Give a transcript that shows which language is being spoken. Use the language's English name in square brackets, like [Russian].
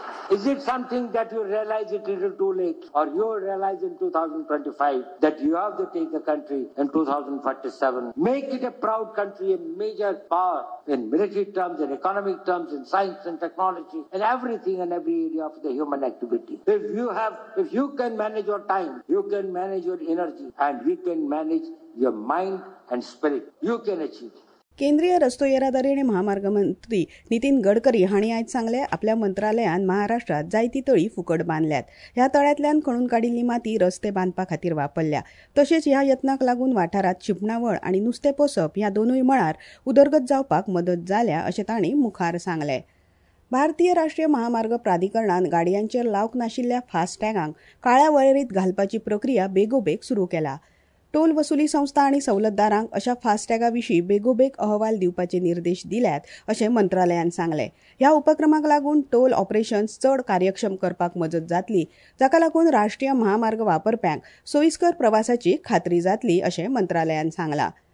[English] Is it something that you realize it a little too late, or you realize in 2025 that you have to take the country in 2047, make it a proud country, a major power in military terms, in economic terms, in science and technology, in everything and every area of the human activity. If you can manage your time, you can manage your energy, and we can manage your mind and spirit, you can achieve it. [Goan Konkani] केंद्रीय रस्तो येरादारी आणि महामार्ग मंत्री नितीन गडकरी हांणी आयज सांगले, आपल्या मंत्रालयान महाराष्ट्रात जायती तळी फुकट बांधल्यात. ह्या तळ्यातल्यान खणून काढिल्ली माती रस्ते बांधपा खातीर वापरल्या. तशेंच ह्या यत्नाक लागून वाठारात शिंपणावळ आणि नुस्तें पोसप ह्या दोनूय मळार उदरगत जावपाक मदत जाल्या अशें तांणी मुखार सांगले. भारतीय राष्ट्रीय महामार्ग प्राधिकरणान गाडयांचेर लावंक नाशिल्ल्या फास्टॅगांक काळ्या वळेरींत घालपाची प्रक्रिया बेगोबेग सुरू केला. टोल वसुली संस्था आणि सवलतदारांक अशा फास्टॅगा विशीं बेगोबेग अहवाल दिवपाचे निर्देश दिल्यात अशें मंत्रालयान सांगले. ह्या उपक्रमाक लागून टोल ऑपरेशन्स चड कार्यक्षम करपाक मजत जातली, जाका लागून राष्ट्रीय महामार्ग वापरप्यांक सोयीस्कर प्रवासाची खात्री जातली अशें मंत्रालयान सांगला.